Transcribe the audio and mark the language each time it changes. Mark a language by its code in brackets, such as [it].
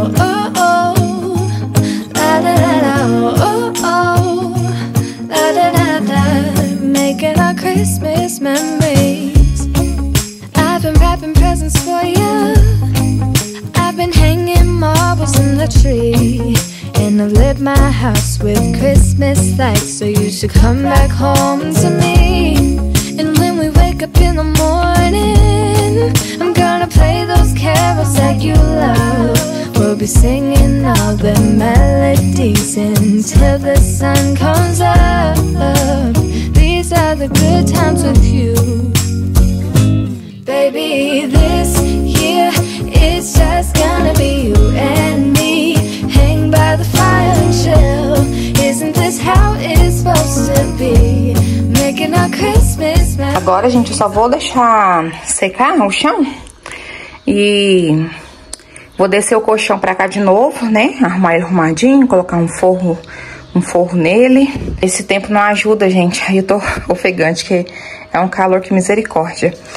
[en] Oh oh, la da da da. Oh oh, la da da da. Making our Christmas memories. memories. I've been wrapping presents for you. I've been hanging marbles in the tree. And I've lit my house with Christmas lights. So you should come back home to me. And when we wake up in the morning, I'm gonna play those carols that you love. We'll be singing all the melodies until the sun comes up. These are the good times with you. Baby, this year it's just gonna be you and me. Hang by the fire and chill. Isn't this how it's supposed to be? Making our Christmas magic. [pt] Agora, gente, eu só vou deixar secar no chão e vou descer o colchão pra cá de novo, né? Arrumar ele arrumadinho, colocar um forro nele. Esse tempo não ajuda, gente. Aí eu tô ofegante, que é um calor que misericórdia.